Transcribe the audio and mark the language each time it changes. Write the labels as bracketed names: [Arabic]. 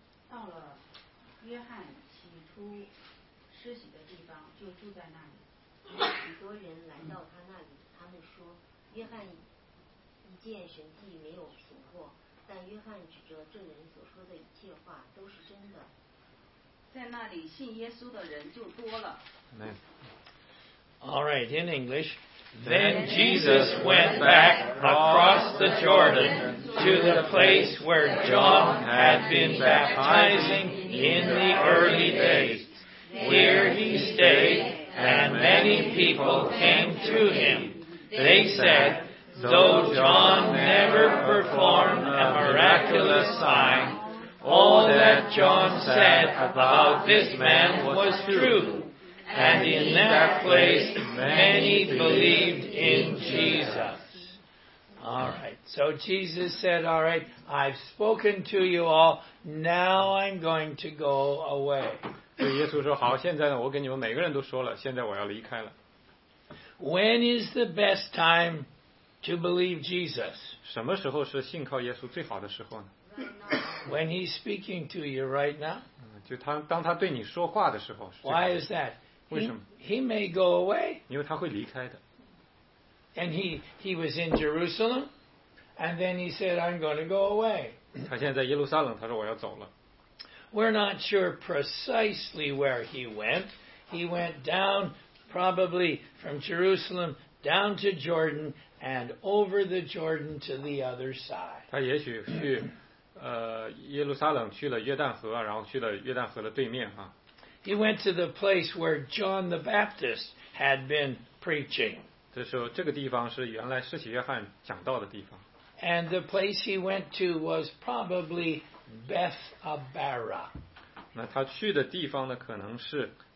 [Chinese] 他到了约翰起初施洗的地方，就住在那里。许多人来到他那里，他们说约翰一见神迹没有凭过，但约翰指着这人所说的一切话都是真的。在那里信耶稣的人就多了。 [English] Amen. All right, in English. Then Jesus went back across the Jordan to the place where John had been baptizing in the early days. Here he stayed, and many people came to him. They said, though John never performed a miraculous sign, all that John said about this man was true. And in that place, many believed in Jesus. All right. So Jesus said, all right, I've spoken to you all. Now I'm going to go away. [Chinese] 对耶稣说，好，现在呢，我跟你们每个人都说了，现在我要离开了。 [English] When is the best time to believe Jesus? [Chinese] 什么时候是信靠耶稣最好的时候呢？ [English] When he's speaking to you right now? [Chinese] 就他当他对你说话的时候。 [English] Why is that? He may go away. [Chinese] 因为他会离开的。 [English] And he was in Jerusalem, and then he said, I'm going to go away. [Chinese] 他现在在耶路撒冷，他说我要走了。 [English] We're not sure precisely where he went. He went down, probably from Jerusalem, down to Jordan, and over the Jordan to the other side. [Chinese] 他也许去耶路撒冷去了约旦河，然后去了约旦河的对面啊。 [English] He went to the place where John the Baptist had been preaching. [Chinese] 这时候这个地方是原来施洗约翰讲道的地方。 [English] And the place he went to was probably Bethabara. [Chinese] 那他去的地方呢？可能是